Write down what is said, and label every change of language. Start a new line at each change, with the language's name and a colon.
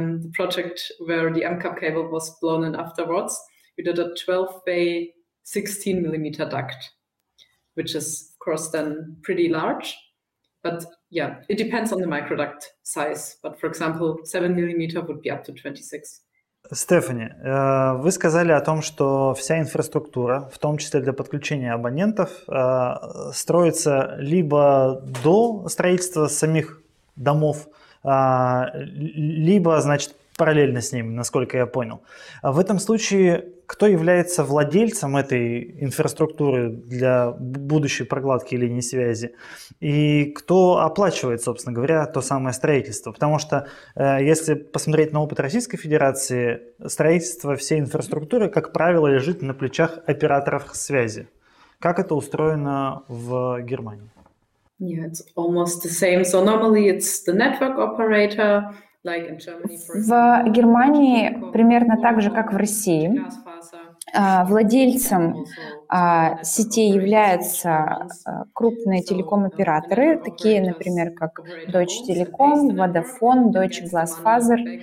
English: The project where the MCAP cable was blown in afterwards, we did a 12-bay 16-millimeter duct, which is, of course, then pretty large. But yeah, it depends on the microduct size. But for example, 7-millimeter would be up to 26.
Russian: Стефани, вы сказали о том, что вся инфраструктура, в том числе для подключения абонентов, строится либо до строительства самих домов, либо, значит, параллельно с ними, насколько я понял. В этом случае кто является владельцем этой инфраструктуры для будущей прокладки линии связи? И кто оплачивает, собственно говоря, то самое строительство? Потому что, если посмотреть на опыт Российской Федерации, строительство всей инфраструктуры, как правило, лежит на плечах операторов связи. Как это устроено в Германии?
English: Yeah, it's almost the same. So normally it's the network operator.
Russian: В Германии примерно так же, как в России. Владельцем сети являются крупные телеком-операторы, такие, например, как Deutsche Telekom, Vodafone, Deutsche Glasfaser.